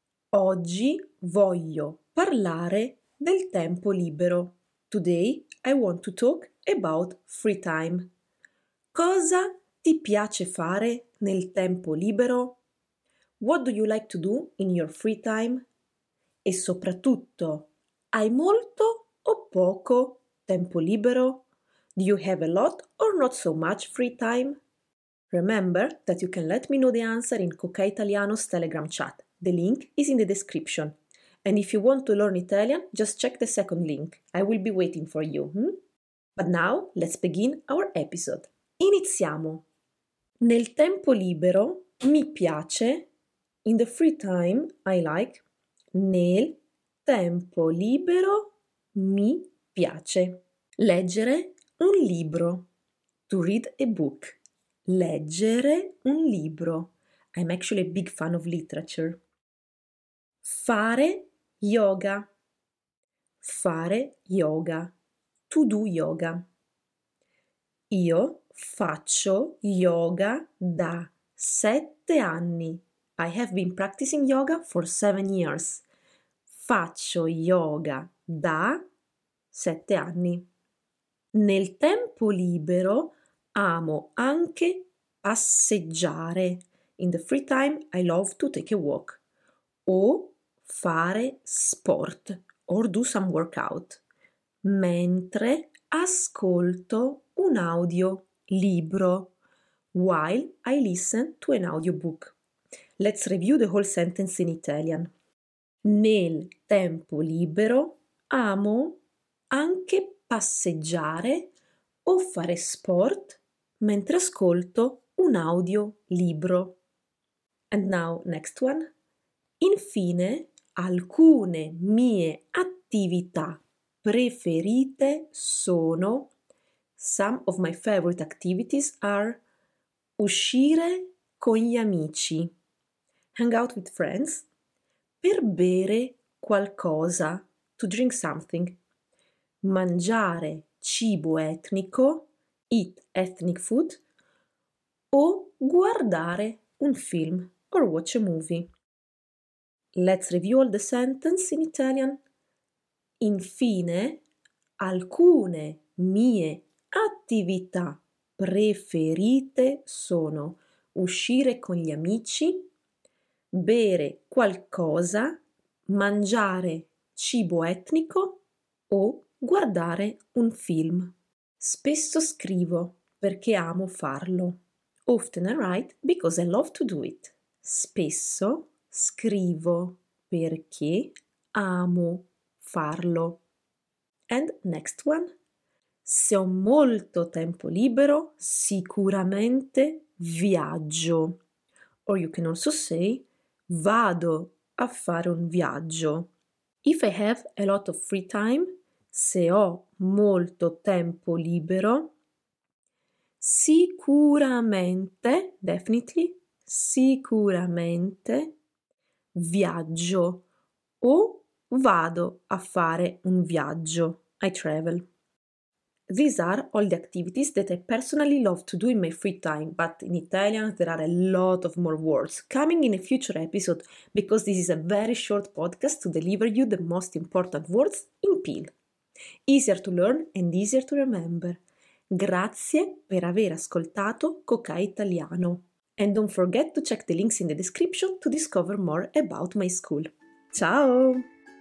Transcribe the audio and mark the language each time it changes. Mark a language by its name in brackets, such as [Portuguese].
[Italian] Oggi voglio parlare del tempo libero. [English] Today I want to talk about free time. [Italian] Cosa ti piace fare nel tempo libero? [English] What do you like to do in your free time? [Italian] E soprattutto, hai molto o poco tempo libero? [English] Do you have a lot or not so much free time? Remember that you can let me know the answer in Cocai Italiano's Telegram chat. The link is in the description. And if you want to learn Italian, just check the second link. I will be waiting for you. But now, let's begin our episode. [Italian] Iniziamo! Nel tempo libero mi piace. [English] In the free time, I like. [Italian] Nel tempo libero mi piace. Leggere un libro. [English] To read a book. [Italian] Leggere un libro. [English] I'm actually a big fan of literature. [Italian] Fare yoga. Fare yoga. [English] To do yoga. [Italian] Io faccio yoga da 7 anni. [English] I have been practicing yoga for 7 years. [Italian] Faccio yoga da 7 anni. Nel tempo libero amo anche passeggiare. [English] In the free time, I love to take a walk. [Italian] O fare sport. [English] Or do some workout. [Italian] Mentre ascolto un audio libro. [English] While I listen to an audiobook. Let's review the whole sentence in Italian. [Italian] Nel tempo libero amo anche passeggiare o fare sport mentre ascolto un audio libro. [English] And now, next one. [Italian] Infine, alcune mie attività preferite sono. [English] Some of my favorite activities are [Italian] uscire con gli amici, [English] hang out with friends, [Italian] per bere qualcosa, [English] to drink something, [Italian] mangiare cibo etnico, [English] eat ethnic food, [Italian] o guardare un film [English] or watch a movie. Let's review all the sentence in Italian. [Italian] Infine, alcune mie attività preferite sono uscire con gli amici, bere qualcosa, mangiare cibo etnico o guardare un film. Spesso scrivo perché amo farlo. [English] Often I write because I love to do it. [Italian] Spesso scrivo perché amo farlo. [English] And next one. [Italian] Se ho molto tempo libero, sicuramente viaggio. [English] Or you can also say, [Italian] vado a fare un viaggio. [English] If I have a lot of free time, [Italian] se ho molto tempo libero, sicuramente, [English] definitely, [Italian] sicuramente viaggio o vado a fare un viaggio. [English] I travel. These are all the activities that I personally love to do in my free time, but in Italian there are a lot of more words coming in a future episode because this is a very short podcast to deliver you the most important words in PIL. Easier to learn and easier to remember. [Italian] Grazie per aver ascoltato Cocai Italiano. [English] And don't forget to check the links in the description to discover more about my school. Ciao!